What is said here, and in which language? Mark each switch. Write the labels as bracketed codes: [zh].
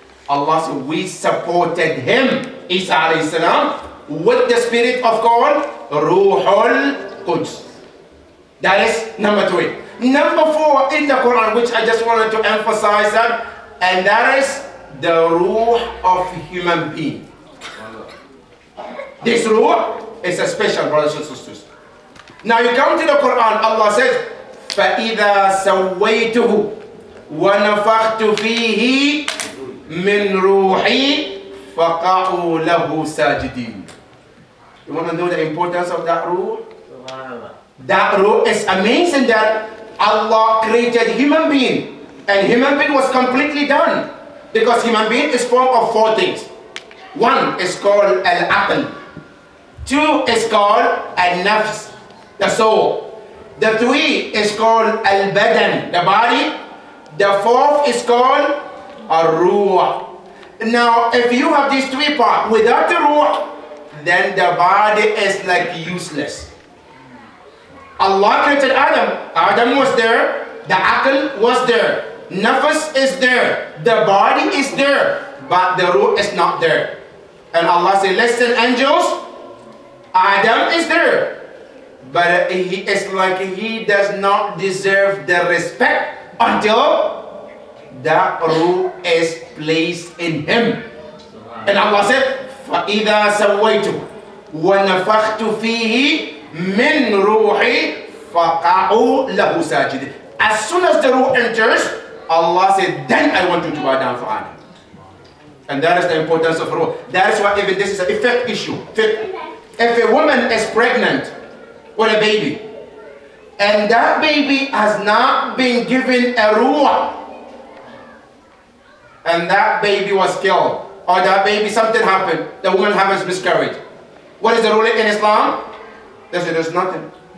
[en] Allah said, we supported him, Isa alayhi salam, with the spirit of God, Ruhul Quds. That is number three. Number four in the Quran, which I just wanted to emphasize that, and that is the Rooh of human being. This Rooh is a special, brothers and sisters. [ar] Now you come to the Quran, Allah says, فَإِذَا سَوَّيْتُهُ وَنَفَخْتُ فِيهِ مِنْ رُوحِي فَقَعُوا لَهُ سَاجِدِينَ. [en] You want to know the importance of that Rooh? That Rooh is amazing that Allah created human being, and human being was completely done, because human being is formed of four things. One is called Al-Aql. Two is called Al-Nafs, the soul. The three is called Al-Badan, the body. The fourth is called Ar-Ruh. Now, if you have these three parts without the Ruh, then the body is like useless. Allah created Adam. Adam was there. The Aql was there. Nafas is there. The body is there. But the Ruh is not there. And Allah said, listen, angels, Adam is there, but he is like he does not deserve the respect until that Ruh is placed in him. [ar] And Allah said, فَإِذَا سَوَّيْتُ وَنَفَخْتُ فِيهِ مِنْ رُوحِ فَقَعُوا لَهُ سَاجِدِ. [en] As soon as the Ruh enters, Allah said, then I want you to bow down for Adam. And that is the importance of Ruh. That is why even this is an effect issue. If a woman is pregnant with a baby, and that baby has not been given a Ruh, and that baby was killed, or that baby, something happened, the woman has miscarried, what is the ruling in Islam? They say there's nothing.